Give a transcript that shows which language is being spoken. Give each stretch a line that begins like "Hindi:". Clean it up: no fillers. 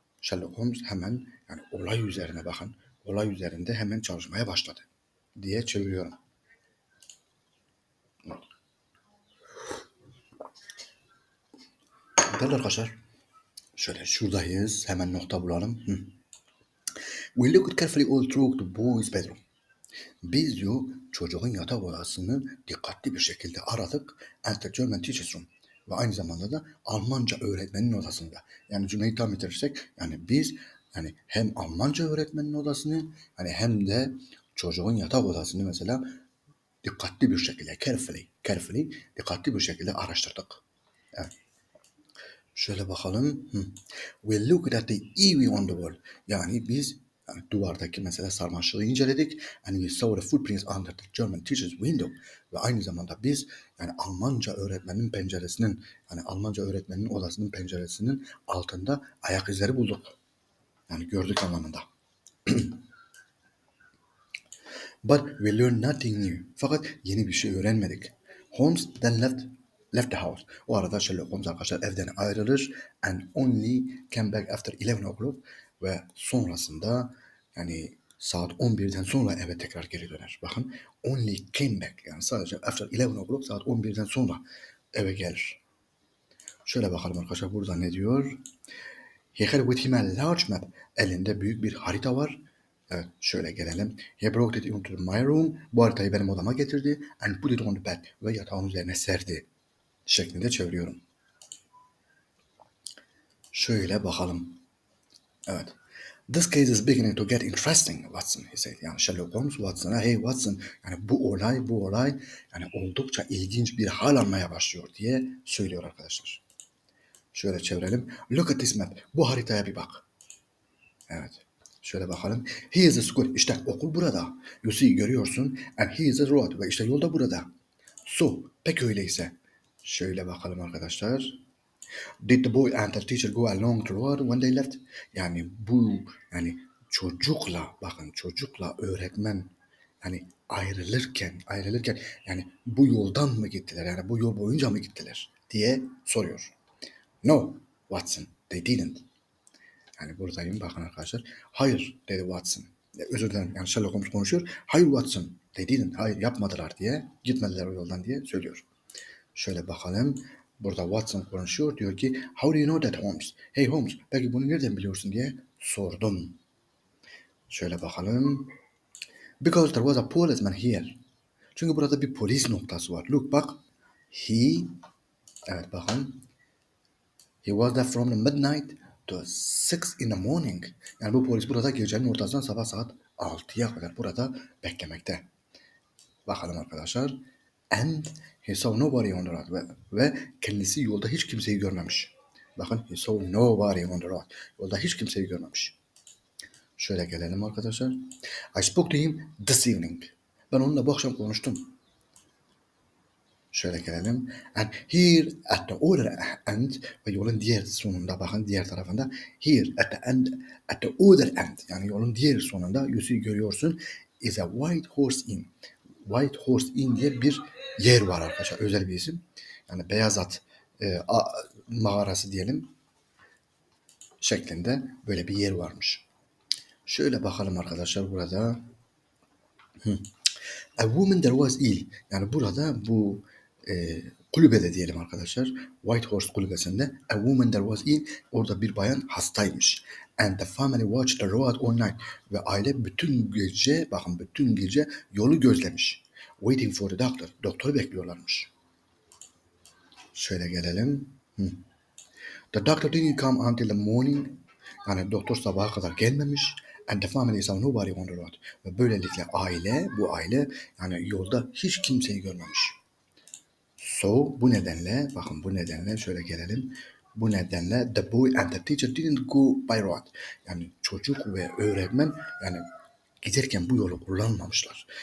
Turkish: Sherlock Holmes hemen yani olay üzerine bakın. Olay üzerinde hemen çalışmaya başladı. Diye çeviriyorum. Değerli arkadaşlar. Şöyle şuradayız. Hemen nokta bulalım.
English: We looked carefully all through the boy's bedroom.
Turkish: Biz diyor çocuğun yatak odasını dikkatli bir şekilde aradık.
English: At the German teacher's room.
Turkish: Ve aynı zamanda da Almanca öğretmenin odasında. Yani cümleyi tam bitirirsek yani biz yani hem Almanca öğretmenin odasını hani hem de çocuğun yatak odasını mesela dikkatli bir şekilde carefully dikkatli bir şekilde araştırdık. Evet. Şöyle bakalım.
English: We looked at the eerie on the wall.
Turkish: Yani biz yani duvardaki mesela sarmaşığı inceledik.
English: And we saw the footprints under the German teacher's window.
Turkish: Ve aynı zamanda biz yani Almanca öğretmenin penceresinin yani Almanca öğretmenin odasının penceresinin altında ayak izleri bulduk. Yani gördük anlamında.
English: But we learned nothing new.
Turkish: Fakat yeni bir şey öğrenmedik.
English: Holmes then left the house.
Turkish: O arada Sherlock Holmes arkadaşlar evden ayrılır.
English: And only came back after 11 o'clock.
Turkish: Ve sonrasında yani saat 11'den sonra eve tekrar geri döner. Bakın
English: only came back.
Turkish: Yani sadece
English: after 11 o'clock
Turkish: saat 11'den sonra eve gelir. Şöyle bakalım arkadaşlar burada ne diyor?
English: He had with him a large map.
Turkish: Elinde büyük bir harita var. Evet, şöyle gelelim.
English: He brought it into my room.
Turkish: Bu haritayı benim odama getirdi.
English: And put it on the bed.
Turkish: Ve yatağın üzerine serdi. Şeklinde çeviriyorum. Şöyle bakalım. Evet.
English: This case is beginning to get interesting, Watson, he said.
Turkish: Yani Sherlock Holmes Watson'a, hey Watson, yani bu olay yani oldukça ilginç bir hal almaya başlıyor diye söylüyor arkadaşlar. Şöyle çevirelim.
English: Look at this map.
Turkish: Bu haritaya bir bak. Evet. Şöyle bakalım.
English: He is a school.
Turkish: İşte okul burada.
English: You see,
Turkish: görüyorsun.
English: And he is a road.
Turkish: Ve işte yolda burada. So, pek öyleyse. Şöyle bakalım arkadaşlar.
English: Did the boy and the teacher go along the road when they left?
Turkish: Yani bu, yani çocukla, bakın çocukla öğretmen, yani ayrılırken, yani bu yoldan mı gittiler? Yani bu yol boyunca mı gittiler? Diye soruyor.
English: No, Watson, they didn't.
Turkish: Yani buradayım, bakın arkadaşlar. Hayır, dedi Watson. Özür dilerim, yani Sherlock Holmes konuşuyor. Hayır,
English: Watson, they didn't.
Turkish: Hayır, yapmadılar diye, gitmediler o yoldan diye söylüyor. Şöyle bakalım. Burada Watson konuşuyor, diyor ki
English: How do you know that, Holmes?
Turkish: Hey Holmes, peki bunu nereden biliyorsun diye sordum. Şöyle bakalım.
English: Because there was a policeman here.
Turkish: Çünkü burada bir polis noktası var. Look, bak. He, evet bakın.
English: He was there from the midnight to 6 in the morning.
Turkish: Yani bu polis burada gecenin ortasından sabah saat 6'ya kadar burada beklemekte. Bakalım arkadaşlar.
English: And he saw nobody on the road.
Turkish: Ve kendisi yolda hiç kimseyi görmemiş. Bakın,
English: he saw nobody on the road.
Turkish: Yolda hiç kimseyi görmemiş. Şöyle gelelim arkadaşlar.
English: I spoke to him this evening.
Turkish: Ben onunla bu akşam konuştum. Şöyle gelelim.
English: And here at the other end.
Turkish: Ve yolun diğer sonunda, bakın diğer tarafında.
English: Here at the end, at the other end.
Turkish: Yani yolun diğer sonunda, yüzüğü görüyorsun.
English: Is a white horse inn.
Turkish: White Horse Inn diye bir yer var arkadaşlar. Özel bir isim. Yani beyaz at mağarası diyelim. Şeklinde böyle bir yer varmış. Şöyle bakalım arkadaşlar burada.
English: A woman there was ill.
Turkish: Yani burada bu kulübede diyelim arkadaşlar. White Horse kulübesinde.
English: A woman there was ill.
Turkish: Orada bir bayan hastaymış.
English: And the family watched the road all night.
Turkish: Ve aile bütün gece, bakın bütün gece yolu gözlemiş.
English: Waiting for the doctor.
Turkish: Doktoru bekliyorlarmış. Şöyle gelelim.
English: The doctor didn't come until the morning.
Turkish: Yani doktor sabaha kadar gelmemiş.
English: And the family saw nobody on the road.
Turkish: Ve böylelikle aile, bu aile yani yolda hiç kimseyi görmemiş. So, bu nedenle, bakın bu nedenle şöyle gelelim. Bu nedenle
English: the boy and the teacher didn't go by road.
Turkish: Yani çocuk ve öğretmen yani giderken bu yolu kullanmamışlar.